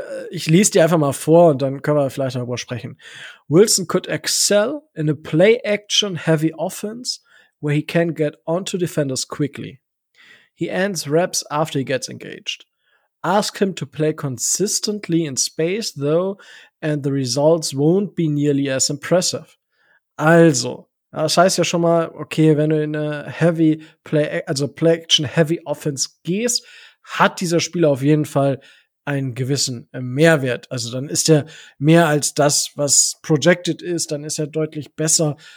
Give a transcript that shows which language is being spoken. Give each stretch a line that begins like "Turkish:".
German: Ich lese die einfach mal vor und dann können wir vielleicht darüber sprechen.
English: Wilson could excel in a play-action heavy offense where he can get onto defenders quickly. He ends reps after he gets engaged. Ask him to play consistently in space, though, and the results won't be nearly as impressive.
German: Also, das heißt ja schon mal, okay, wenn du in eine Play-Action-Heavy-Offense gehst, hat dieser Spieler auf jeden Fall einen gewissen Mehrwert. Also dann ist er mehr als das, was projected ist, dann ist er deutlich besser.